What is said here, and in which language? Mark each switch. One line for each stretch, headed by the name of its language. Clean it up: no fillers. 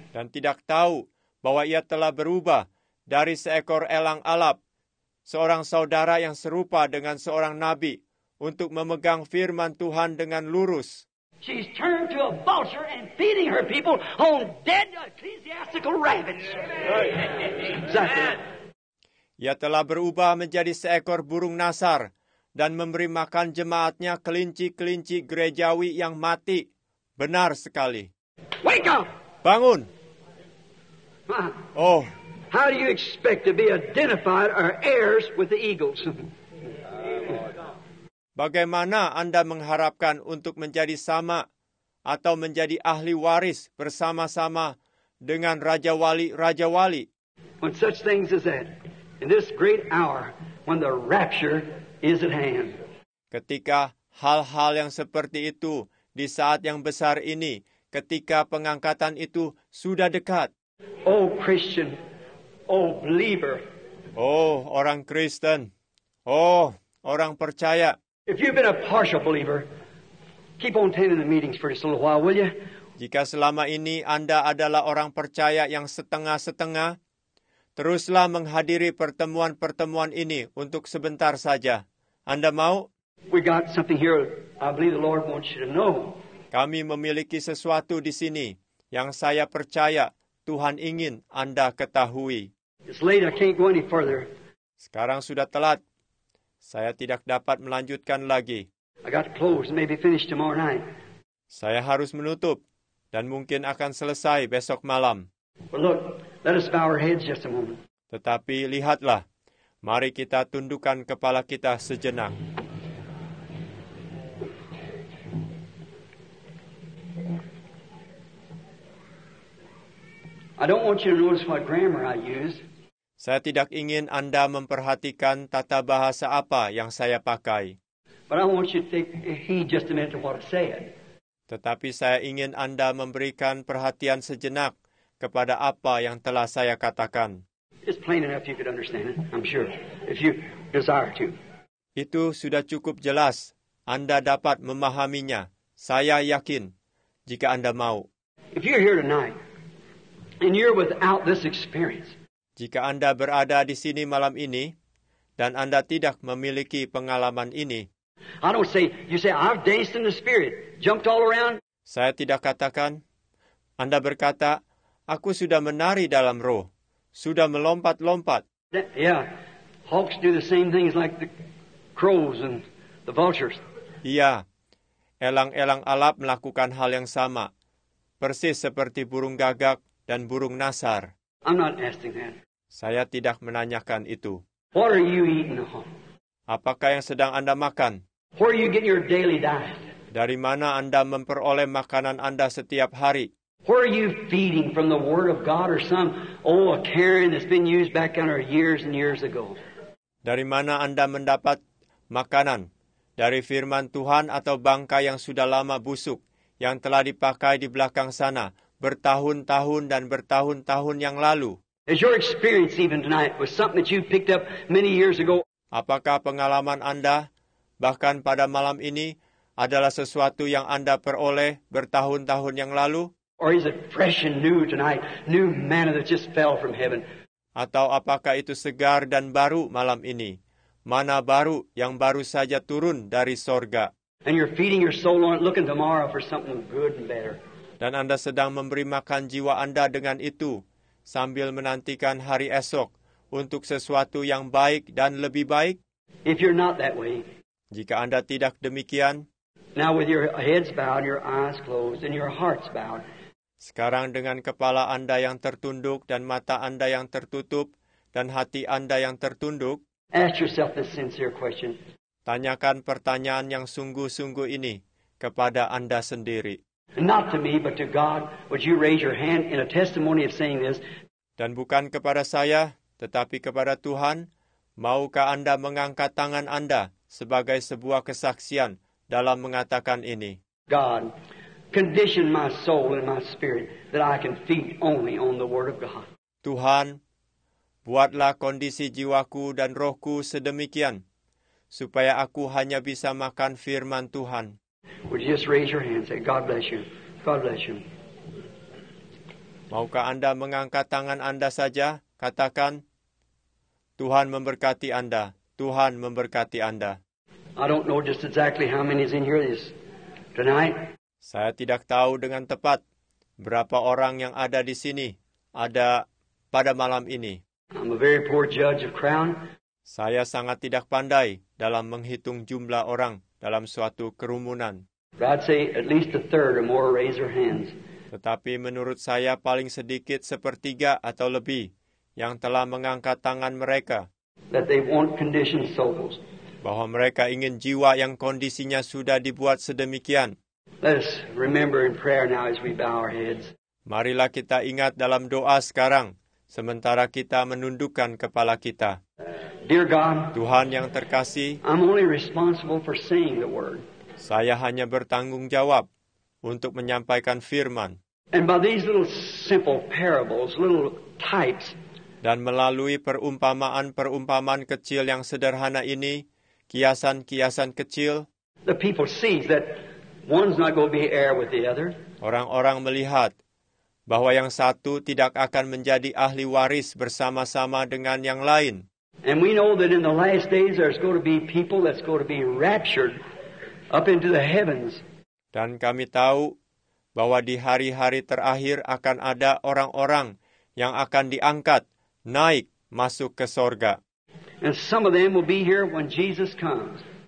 Indonesian: Dan tidak tahu bahwa ia telah berubah dari seekor elang alap, seorang saudara yang serupa dengan seorang nabi, untuk memegang firman Tuhan dengan lurus.
English: She's turned to a vulture and feeding her people on dead ecclesiastical rabbits. Exactly.
Indonesian: Ia telah berubah menjadi seekor burung nasar dan memberi makan jemaatnya kelinci-kelinci gerejawi yang mati. Benar sekali.
English: Wake up!
Indonesian: Bangun! Oh.
English: How do you expect to be identified or heirs with the eagles?
Indonesian: Bagaimana Anda mengharapkan untuk menjadi sama atau menjadi ahli waris bersama-sama dengan Raja Wali-Raja Wali?
English: When such things as that, in this great hour, when the rapture is at hand.
Indonesian: Ketika hal-hal yang seperti itu, di saat yang besar ini, ketika pengangkatan itu sudah dekat.
English: Oh Christian, oh believer.
Indonesian: Oh orang Kristen, oh orang percaya.
English: If you've been a partial believer, keep on attending the meetings for just a little while, will you?
Indonesian: Jika selama ini Anda adalah orang percaya yang setengah-setengah, teruslah menghadiri pertemuan-pertemuan ini untuk sebentar saja. Anda mau?
English: We got something here I believe the Lord wants you to know.
Indonesian: Kami memiliki sesuatu di sini yang saya percaya Tuhan ingin Anda ketahui.
English: It's late, I can't go any further.
Indonesian: Sekarang sudah telat. Saya tidak dapat melanjutkan lagi.
English: I got to close, maybe finish tomorrow night.
Indonesian: Saya harus menutup dan mungkin akan selesai besok malam.
English: Well, look, let us bow our heads just a moment.
Indonesian: Tetapi lihatlah, mari kita tundukkan kepala kita sejenak.
English: I don't want you to notice what grammar I use.
Indonesian: Saya tidak ingin Anda memperhatikan tata bahasa apa yang saya pakai.
English: But I want you to take heed just a minute to what I said.
Indonesian: Tetapi saya ingin Anda memberikan perhatian sejenak kepada apa yang telah saya katakan.
English: It's plain enough you could understand it, I'm sure, if you desire to.
Indonesian: Itu sudah cukup jelas. Anda dapat memahaminya. Saya yakin, jika Anda mau.
English: If you're here tonight, and you're without this experience,
Indonesian: jika Anda berada di sini malam ini dan Anda tidak memiliki pengalaman ini.
English: I don't say, you say, I've danced in the spirit, jumped all around.
Indonesian: Saya tidak katakan. Anda berkata, aku sudah menari dalam roh, sudah melompat-lompat.
English: Yeah, hawks do the same things like the crows and the vultures.
Indonesian: Iya, elang-elang alap melakukan hal yang sama, persis seperti burung gagak dan burung nasar.
English: I'm not asking that.
Indonesian: Saya tidak menanyakan itu.
English: What are you eating on?
Indonesian: Apakah yang sedang Anda makan?
English: Where are you getting your daily diet?
Indonesian: Dari mana Anda memperoleh makanan Anda setiap hari?
English: Where are you feeding from the Word of God or some old Karen that's been used back in our years and years ago?
Indonesian: Dari mana Anda mendapat makanan? Dari firman Tuhan atau bangkai yang sudah lama busuk, yang telah dipakai di belakang sana bertahun-tahun dan bertahun-tahun yang lalu?
English: Is your experience even tonight was something that you picked up many years ago?
Indonesian: Apakah pengalaman Anda bahkan pada malam ini adalah sesuatu yang Anda peroleh bertahun-tahun yang lalu?
English: Or is it fresh and new tonight, new manna that just fell from heaven?
Indonesian: Atau apakah itu segar dan baru malam ini, manna baru yang baru saja turun dari sorga?
English: And you're feeding your soul on it, looking tomorrow for something good and better.
Indonesian: Dan Anda sedang memberi makan jiwa Anda dengan itu, sambil menantikan hari esok untuk sesuatu yang baik dan lebih baik.
English: If you're not that way,
Indonesian: jika Anda tidak demikian,
English: now with your heads bowed, your eyes closed, and your hearts bowed,
Indonesian: sekarang dengan kepala Anda yang tertunduk dan mata Anda yang tertutup dan hati Anda yang tertunduk,
English: ask yourself this sincere question.
Indonesian: Tanyakan pertanyaan yang sungguh-sungguh ini kepada Anda sendiri.
English: Not to me, but to God, would you raise your hand in a testimony of saying this?
Indonesian: Dan bukan kepada saya, tetapi kepada Tuhan, maukah Anda mengangkat tangan Anda sebagai sebuah kesaksian dalam mengatakan ini?
English: God, condition my soul and my spirit that I can feed only on the Word of God.
Indonesian: Tuhan, buatlah kondisi jiwaku dan rohku sedemikian supaya aku hanya bisa makan firman Tuhan.
English: Would you just raise your hand, say, God bless you, God bless you.
Indonesian: Maukah Anda mengangkat tangan Anda saja, katakan, Tuhan memberkati Anda, Tuhan memberkati Anda.
English: I don't know just exactly how many is in here this tonight.
Indonesian: Saya tidak tahu dengan tepat berapa orang yang ada di sini, ada pada malam ini.
English: I'm a very poor judge of crown.
Indonesian: Saya sangat tidak pandai dalam menghitung jumlah orang dalam suatu kerumunan.
English: I'd say at least a third or more raise their hands.
Indonesian: Tetapi menurut saya paling sedikit sepertiga atau lebih yang telah mengangkat tangan mereka.
English: That they want conditioned souls.
Indonesian: Bahwa mereka ingin jiwa yang kondisinya sudah dibuat sedemikian.
English: Let's remember in prayer now as we bow our heads.
Indonesian: Marilah kita ingat dalam doa sekarang, sementara kita menundukkan kepala kita.
English: Dear God,
Indonesian: Tuhan yang terkasih,
English: I'm only responsible for saying the word.
Indonesian: Saya hanya bertanggung jawab untuk menyampaikan firman.
English: And by these little simple parables, little types,
Indonesian: dan melalui perumpamaan-perumpamaan kecil yang sederhana ini, kiasan-kiasan kecil,
English: the people see that one's not going to be heir with the other.
Indonesian: Orang-orang melihat bahwa yang satu tidak akan menjadi ahli waris bersama-sama dengan yang lain.
English: And we know that in the last days there's going to be people that's going to be raptured up into the heavens.
Indonesian: Dan kami tahu bahwa di hari-hari terakhir akan ada orang-orang yang akan diangkat naik masuk ke sorga.
English: And some of them will be here when Jesus comes.